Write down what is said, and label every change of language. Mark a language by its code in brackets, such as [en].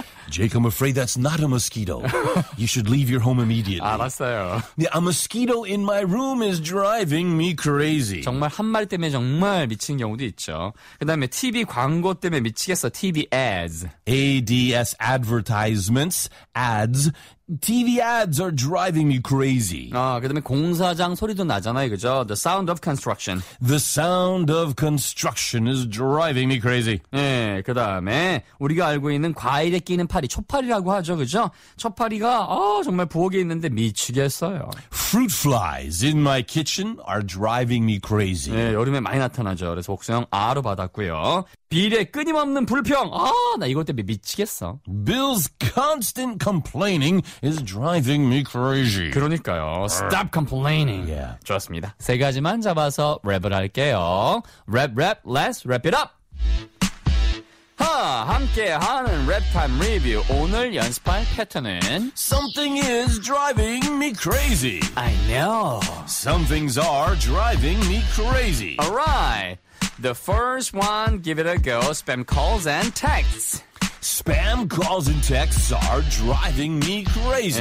[en] Jake, I'm afraid that's not a mosquito. You should leave your home immediately. [ko] 알았어요. [en] Yeah, a mosquito in my room is driving me crazy. [ko] 정말 한 마리 때문에 정말 미치는 경우도 있죠. 그 다음에 TV 광고 때문에 미치겠어. [en] TV ads. ADS, advertisements, ads. TV ads are driving me crazy. [ko] 아, 그다음에 공사장 소리도 나잖아요, 그죠? [en] The sound of construction. The sound of construction is driving me crazy. [ko] 네, 그다음에 우리가 알고 있는 과일에 끼는 파리, 초파리라고 하죠, 그죠? 초파리가 아, 정말 부엌에 있는데 미치겠어요. [en] Fruit flies in my kitchen are driving me crazy. [ko] 네, 여름에 많이 나타나죠. 그래서 복수형 R로 받았고요. 빌의 끊임없는 불평. 아, 나 이것 때문에 미치겠어. [en] Bill's constant complaining is driving me crazy. [ko] 그러니까요. [en] Stop complaining. Yeah. [ko] 좋았습니다. 세 가지만 잡아서 랩을 할게요. [en] Rap, rap, let's wrap it up. [ko] 하, 함께하는 랩타임 리뷰. 오늘 연습할 패턴은 [en] Something is driving me crazy. I know. Some things are driving me crazy. Alright. The first one, give it a go, spam calls and texts. Spam calls and texts are driving me crazy.